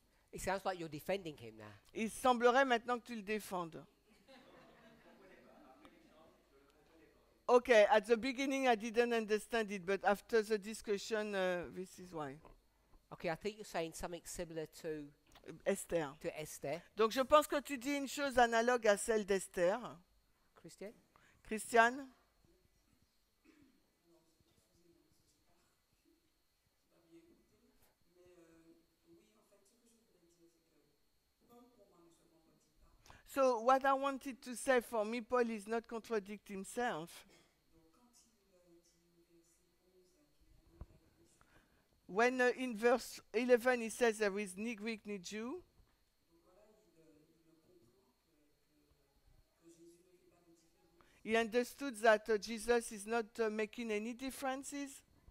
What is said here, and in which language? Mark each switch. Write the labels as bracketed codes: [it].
[en] It sounds like you're defending him now. [fr] Il semblerait maintenant que tu le défendes. [en] Okay, at the beginning I didn't understand it, but after the discussion, this is why. Okay, I think you're saying something similar to Esther. To Esther. [fr] Donc je pense que tu dis une chose analogue à celle d'Esther. Christiane? Oui, en fait, ce que je voulais dire, c'est que comme pour moi, nous ne se convertit pas. [en] So what I wanted to say for me, Paul is not contradicting himself. When in verse 11 he says there is ni Greek ni Jew, he understood that Jesus is not making any differences.